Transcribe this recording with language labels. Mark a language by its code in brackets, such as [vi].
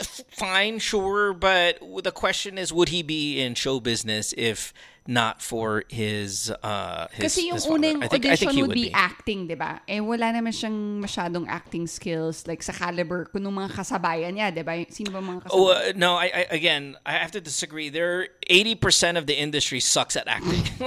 [en] Fine, sure, but the question is, would he be in show business if not for his father? [tl] Kasi yung uning audition [en] would be acting, [tl] diba? Eh, wala naman siyang masyadong acting skills, like sa caliber, kung mga kasabayan niya, diba? Sino ba mga kasabayan? [en] Oh, no, I have to disagree. There, 80% of the industry sucks at acting.